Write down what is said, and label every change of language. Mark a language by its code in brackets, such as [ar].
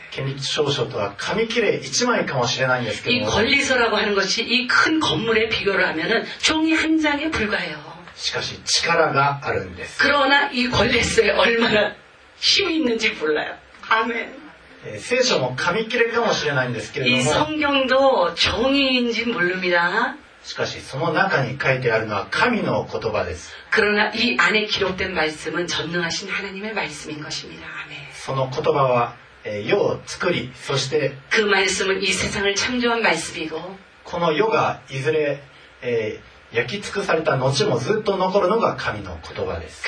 [ja] 権利証書とは紙切れ一枚かもしれないんですけども、 [ko] 이권리서라고하는것이이큰건물에비교를하면은종이한장에불과해요。 [ja] しかし力があるんです。 [ko] 그러나이권리서에얼마나힘이있는지몰라요。 아멘。 [ja] 聖書も紙切れかもしれないんですけども、 [ko] 이성경도종이인지모릅니다。 [ja] しかしその中に書いてあるのは神の言葉です。 [ko] 그러나이안에기록된말씀은전능하신하나님의말씀인것입니다。 [ja] その言葉は世を作り、そして [ko] 그말씀은이세상을창조한말씀이고、 [ja] この世がいずれ焼き尽くされた後もずっと残るのが神の言葉です。